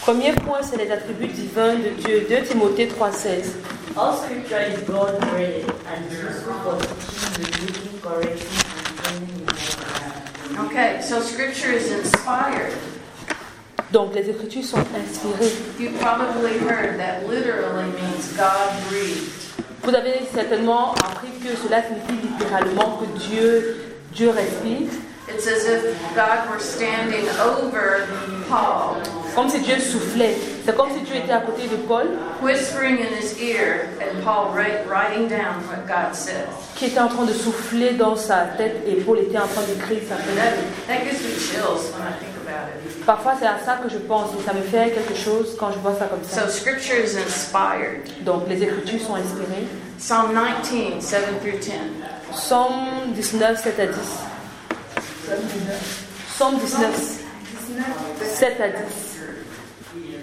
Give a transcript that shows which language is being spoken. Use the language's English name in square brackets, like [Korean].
[French] Premier point, c'est les attributs divins de Dieu. 2 Timothée 3:16. [English] All scripture is God-breathed and useful for teaching, rebuking, correcting, and training in all Okay, so scripture is inspired. [French] Donc les écritures sont inspirées. [English] You probably heard that literally means God breathed. [French] Vous avez certainement appris que cela signifie littéralement que Dieu respire. [English] It's as if God were standing over Paul. [French] Comme si Dieu soufflait. C'est comme si Dieu était à côté de Paul. [English] Whispering in his ear and Paul writing down what God said. [French] Qui était en train de souffler dans sa tête et Paul était en train d'écrire sa tête. [English] That gives me chills when I think about it. [French] Parfois c'est à ça que je pense et ça me fait quelque chose quand je vois ça comme ça. [English] So scripture is inspired. [French] Donc les écritures sont inspirées. [English] Psalm 19, 7 through 10. [French] Psalm 19, 7 à 10. Psalm 19, 7 à 10.